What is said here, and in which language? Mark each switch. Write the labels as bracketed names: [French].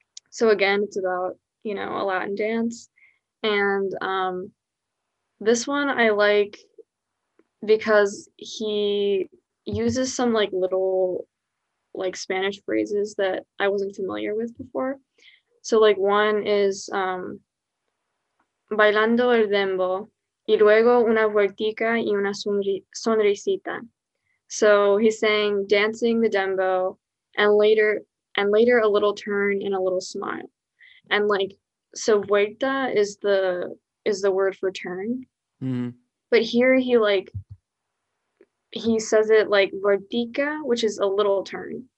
[English] So again, it's about, you know, a Latin dance. And this one I like because he uses some, like, little, like, Spanish phrases that I wasn't familiar with before. So, like, one is [Spanish] bailando el dembo y luego una vueltica y una sonrisita. [English] So he's saying dancing the dembo and later a little turn and a little smile. And, like, so vuelta is the word for turn. But here he says it like vueltica, which is a little turn.